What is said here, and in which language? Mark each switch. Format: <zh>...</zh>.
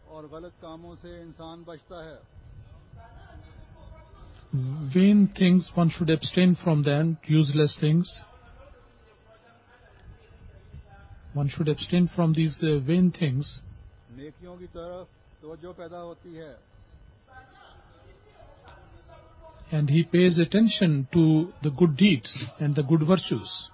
<ur>غلط کاموں سے انسان بچتا ہے.</ur> <en>Vain things one should abstain from them, useless things. One should abstain from these vain things.</en> <ur>نیکیوں کی طرف توجہ پیدا ہوتی ہے.</ur> <en>And he pays attention to the good deeds and the good virtues.</en>